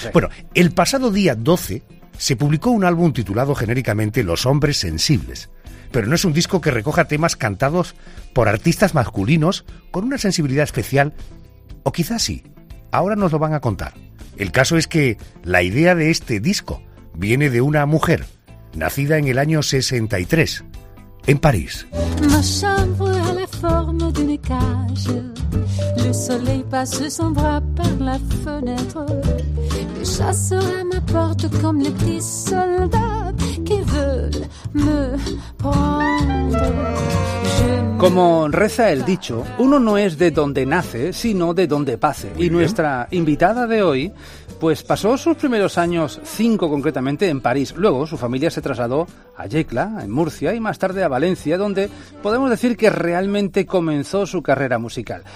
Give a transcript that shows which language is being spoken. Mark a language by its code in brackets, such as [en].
[es] Bueno, el pasado día 12 se publicó un álbum titulado genéricamente Los Hombres Sensibles, pero no es un disco que recoja temas cantados por artistas masculinos con una sensibilidad especial, o quizás sí, ahora nos lo van a contar. El caso es que la idea de este disco viene de una mujer nacida en el año 63, en París. [fr] Ma chambre a la [es] forma de una [fr] cage. Le soleil passe son bras par la fenêtre. Le chasseur à ma porte comme les petits soldats qui veulent me prendre. [es] Como reza el dicho, uno no es de donde nace, sino de donde pase. Y nuestra invitada de hoy, pues pasó sus primeros años, 5 concretamente, en París. Luego su familia se trasladó a Yecla, en Murcia, y más tarde a Valencia, donde podemos decir que realmente comenzó su carrera musical.